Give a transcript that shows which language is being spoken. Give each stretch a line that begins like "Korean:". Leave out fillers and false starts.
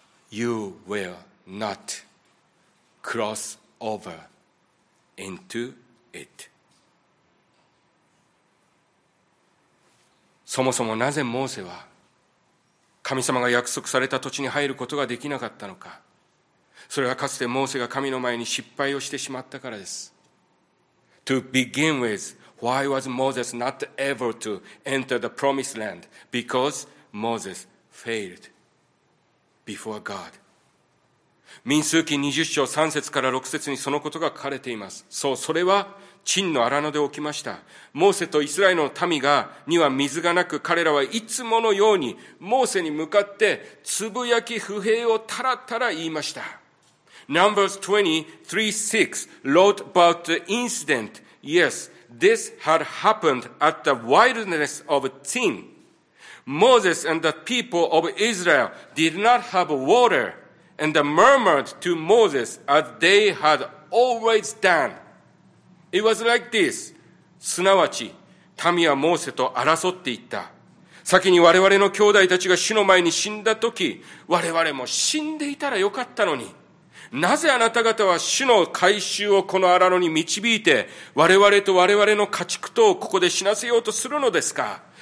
English: You will not cross over into it.
Japanese: そもそもなぜモーセは神様が約束された土地に入ることができなかったのか。それはかつてモーセが神の前に失敗をしてしまったからです。
English: To begin with, why was Moses not able to enter the promised land? Because Moses failed before God.
Japanese: 民数記20章3節から6節にそのことが書かれています。そう、それは珍の荒野で起きました。モーセとイスラエルの民がには水がなく、彼らはいつものようにモーセに向かってつぶやき不平をたらたら言いました。
English: Numbers 23:6 wrote about the incident. Yes, this had happened at the wilderness of Zin. Moses and the people of Israel did not have waterAnd murmured to Moses as they had always done. It was like this.
Japanese: すなわち、民はモーセと争っていった。先に我々の兄弟たちが主の前に死んだとき、我々も死んでいたらよかったのに。なぜあなた方は主の回収をこの荒野に導いて、我々と我々の家畜とをここで死なせようとするのですか。